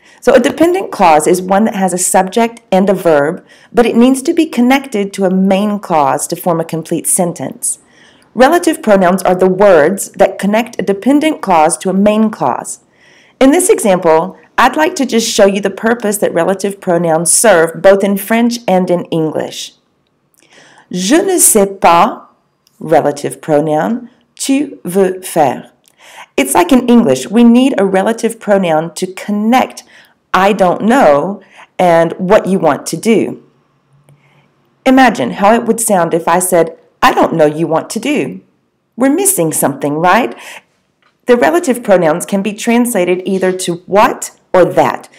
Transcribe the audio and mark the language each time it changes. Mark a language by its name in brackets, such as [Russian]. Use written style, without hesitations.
[English] So a dependent clause is one that has a subject and a verb, but it needs to be connected to a main clause to form a complete sentence. Relative pronouns are the words that connect a dependent clause to a main clause. In this example, I'd like to just show you the purpose that relative pronouns serve both in French and in English. [French] Je ne sais pas, [English] relative pronoun, [French] tu veux faire. [English] It's like in English, we need a relative pronoun to connect I don't know and what you want to do. Imagine how it would sound if I said, I don't know you want to do. We're missing something, right? The relative pronouns can be translated either to what or that.